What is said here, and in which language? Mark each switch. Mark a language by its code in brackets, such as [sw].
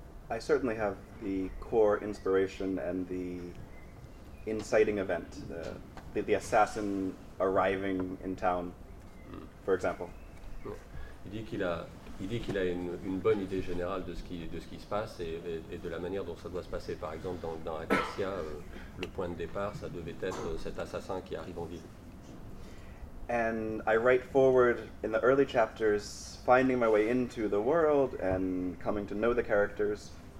[en] I certainly have the core inspiration and the inciting event, the assassin arriving in town, for example. [fr] Il dit qu'il a une bonne idée générale de ce qui se passe et de la manière dont ça doit se passer. Par exemple, dans Acacia, le point de départ, ça devait être cet assassin qui arrive en ville. [en] And I write forward in the early chapters, finding my way into the world and coming to know the characters.